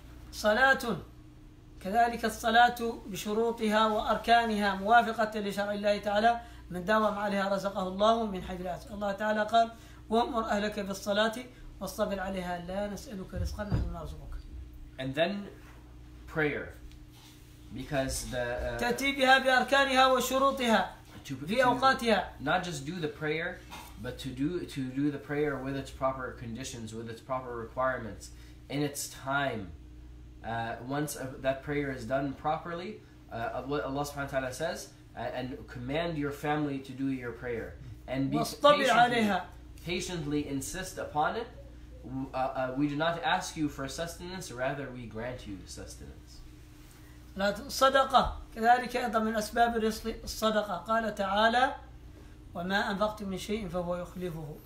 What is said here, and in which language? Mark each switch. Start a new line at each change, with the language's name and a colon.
Arabic: salatun كذلك الصلاه بشروطها واركانها موافقه لشرع الله تعالى من داوم عليها رزقه الله من حيث لا الله تعالى قال وامر اهلك بالصلاه واصطبر عليها لا نسألك رزقا نحن نرزقك.
English: And then prayer, because the
Arabic: تأتي بها بأركانها وشروطها في أوقاتها.
English: Not just do the prayer, but to do the prayer with its proper conditions, with its proper requirements, in its time. Once that prayer is done properly, what Allah subhanahu wa ta'ala says, and command your family to do your prayer. And be patiently insist upon it. We do not ask you for sustenance, rather we grant you sustenance.
Arabic: صدقة كذلك أيضا من أسباب الرزق الصدقة. قال تعالى وما أنفقت من شيء فهو يخلفه.